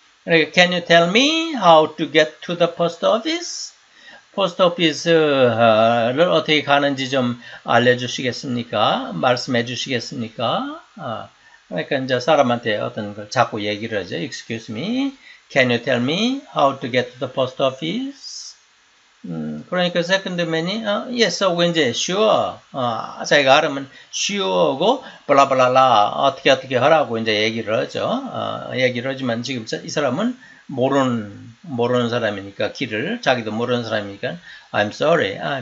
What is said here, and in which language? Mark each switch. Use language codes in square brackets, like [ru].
[ko] 그러니까 [en] can you tell me how to get to the post office? [ko] 포스트 오피스를 어떻게 가는지 좀 알려주시겠습니까? 말씀해주시겠습니까? 그러니까 이제 사람한테 어떤 걸 자꾸 얘기를 하죠. [en] Excuse me. Can you tell me how to get to the post office? [ko] 그러니까 세컨드맨이 yes, 하고 이제 sure. 자기가 알으면 sure고 블라블라라 어떻게 하라고 이제 얘기를 하죠. 얘기를 하지만 지금 이 사람은 모르는 사람이니까 길을 자기도 모르는 사람이니까 [en] I'm sorry.